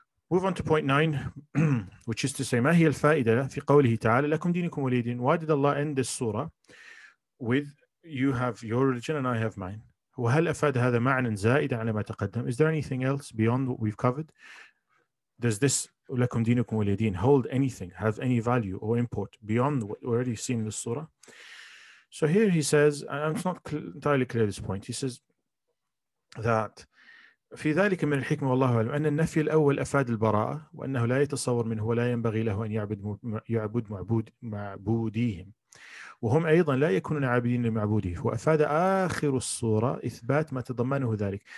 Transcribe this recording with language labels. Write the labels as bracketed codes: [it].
[en] Move on to point 9, which is to say, [ar] ma hiya al-fa'ida fi qawlihi ta'ala lakum dinukum wa li din. [en] Why did Allah end this surah with, you have your religion and I have mine? [ar] وهل أفاد هذا معنى زائد على ما تقدم? [en] Is there anything else beyond what we've covered? Does this [ar] لكم دينكم ولي دين [en] hold anything, have any value or import beyond what we've already seen in the surah? So here he says, it's not entirely clear at this point. He says that [ar] في ذلك من الحكمة والله أعلم أن النفي الأول أفاد البراءة وأنه لا يتصور منه ولا ينبغي له أن يعبد معبوديهم. وهم أيضا لا يكونون عابدين لمعبوده وأفاد آخر الصورة إثبات ما تضمنه ذلك.